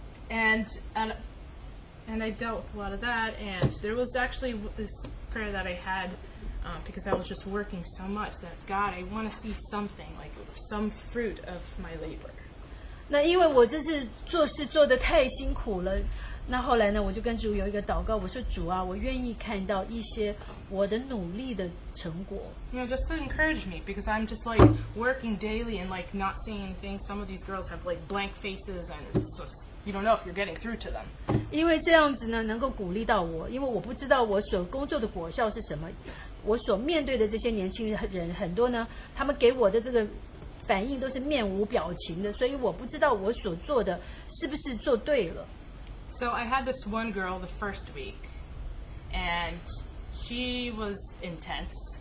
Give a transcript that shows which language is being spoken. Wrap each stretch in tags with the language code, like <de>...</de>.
<en>and I dealt with a lot of that. And there was actually this prayer that I had, because I was just working so much that God, I want to see something like some fruit of my labor.</en> <zh>那因为我这是做事做得太辛苦了，那后来呢，我就跟主有一个祷告，我说主啊，我愿意看到一些我的努力的成果。</zh> <en>You know, just to encourage me, because I'm just like working daily and like not seeing anything. Some of these girls have like blank faces, and it's just you don't know if you're getting through to them.</en> <zh>因为这样子呢，能够鼓励到我，因为我不知道我所工作的果效是什么。我所面对的这些年轻人很多呢，他们给我的这个。反应都是面无表情的，所以我不知道我所做的是不是做对了。</zh> <en>So I had this one girl the first week, and she was intense.</en>